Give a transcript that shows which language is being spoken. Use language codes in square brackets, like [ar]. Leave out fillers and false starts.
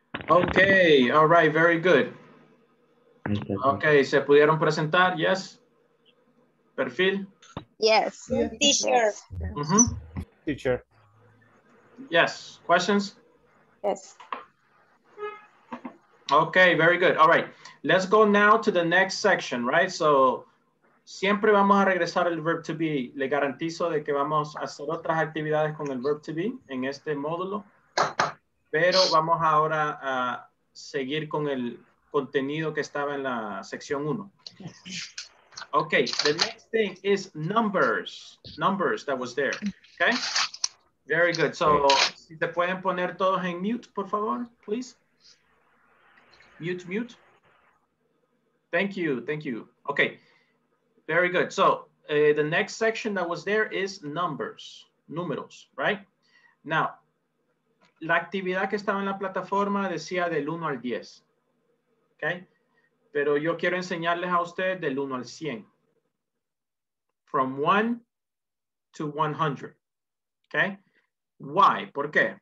[en] Okay, all right, very good. Okay, [es] ¿se pudieron presentar? [en] Yes. ¿Perfil? Yes. Teacher. Mm-hmm. Teacher. Yes. Questions? Yes. Okay, very good. All right, let's go now to the next section, right? [es] So, siempre vamos a regresar al verb to be. Le garantizo de que vamos a hacer otras actividades con el verb to be en este módulo. Pero vamos ahora a seguir con el contenido que estaba en la sección 1. [en] Okay, the next thing is numbers. Numbers that was there. Okay? Very good. [es] So, si te pueden poner todos en mute, por favor, please. [en] Mute, mute. Thank you, thank you. Okay, very good. So, the next section that was there is numbers. [es] Números, right? Now, la actividad que estaba en la plataforma decía del 1 al 10, ¿ok? Pero yo quiero enseñarles a ustedes del 1 al 100. [en] From 1 to 100, ¿ok? Why? [es] ¿Por qué?